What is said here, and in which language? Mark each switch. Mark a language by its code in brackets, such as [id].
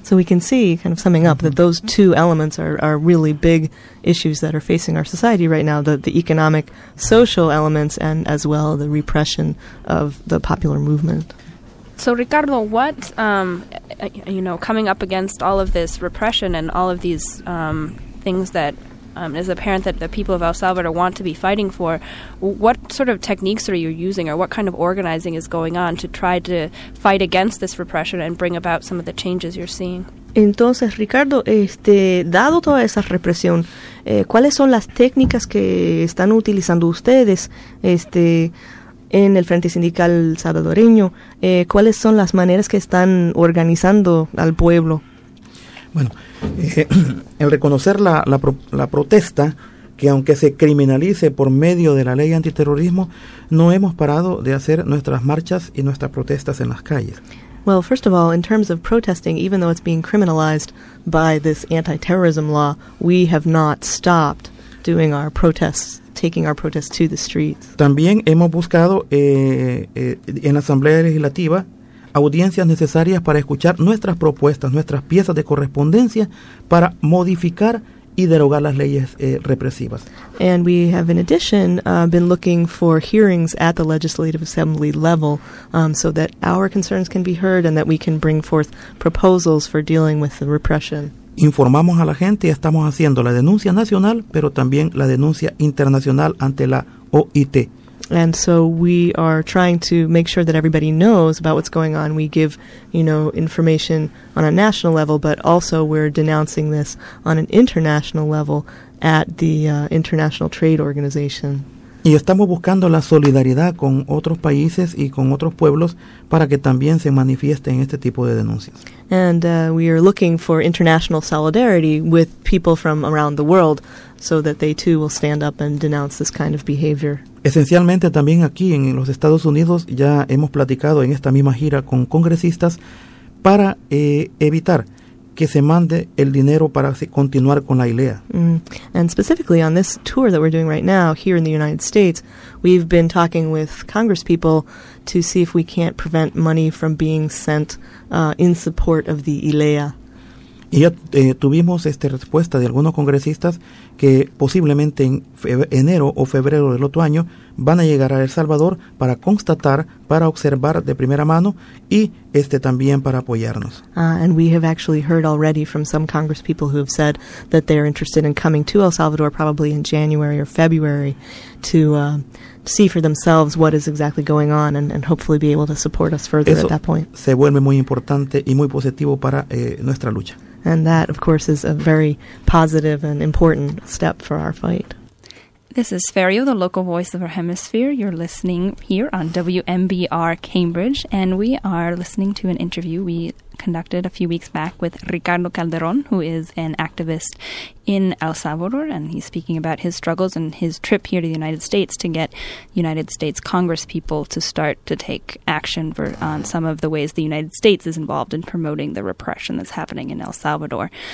[en] So we can see, kind of summing up, that those two elements are really big issues that are facing our society right now, the economic, social elements, and as well the repression of the popular movement. So Ricardo, what, you know, coming up against all of this repression and all of these things that is apparent that the people of El Salvador want to be fighting for, what sort of techniques are you using, or what kind of organizing is going on to try to fight against this repression and bring about some of the changes you're seeing? [es] Entonces, Ricardo, dado toda esa represión, ¿cuáles son las técnicas que están utilizando ustedes en el Frente Sindical Salvadoreño? ¿Cuáles son las maneras que están organizando al pueblo? Bueno, el reconocer la protesta, que aunque se criminalice por medio de la ley antiterrorismo, no hemos parado de hacer nuestras marchas y nuestras protestas en las calles. [en] Well, first of all, in terms of protesting, even though it's being criminalized by this anti-terrorism law, we have not stopped doing our protests, taking our protests to the streets. [es] También hemos buscado en la Asamblea Legislativa audiencias necesarias para escuchar nuestras propuestas, nuestras piezas de correspondencia para modificar y derogar las leyes represivas. [en] And we have, in addition, been looking for hearings at the legislative assembly level so that our concerns can be heard and that we can bring forth proposals for dealing with the repression. [es] Informamos a la gente y estamos haciendo la denuncia nacional, pero también la denuncia internacional ante la OIT. [en] And so we are trying to make sure that everybody knows about what's going on. We give, you know, information on a national level, but also we're denouncing this on an international level at the International Trade Organization. [es] Y estamos buscando la solidaridad con otros países y con otros pueblos para que también se manifiesten este tipo de denuncias. [en] And we are looking for international solidarity with people from around the world so that they too will stand up and denounce this kind of behavior. [es] Esencialmente también aquí en los Estados Unidos ya hemos platicado en esta misma gira con congresistas para evitar que se mande el dinero para continuar con la ILEA. [en] And specifically on this tour that we're doing right now here in the United States, we've been talking with congresspeople to see if we can't prevent money from being sent in support of the ILEA. [es] Y ya tuvimos respuesta de algunos congresistas que posiblemente en enero o febrero del otro año van a llegar a El Salvador para constatar, para observar de primera mano y también para apoyarnos. [en] And we have actually heard already from some congresspeople who have said that they're interested in coming to El Salvador probably in January or February to see for themselves what is exactly going on and hopefully be able to support us further. [es] Eso [en] at that point. [es] Se vuelve muy importante y muy positivo para nuestra lucha. [en] And that, of course, is a very positive and important step for our fight. This is Ferio, the local voice of our hemisphere. You're listening here on WMBR Cambridge, and we are listening to an interview we conducted a few weeks back with Ricardo Calderon, who is an activist in El Salvador, and he's speaking about his struggles and his trip here to the United States to get United States Congress people to start to take action for on some of the ways the United States is involved in promoting the repression that's happening in El Salvador.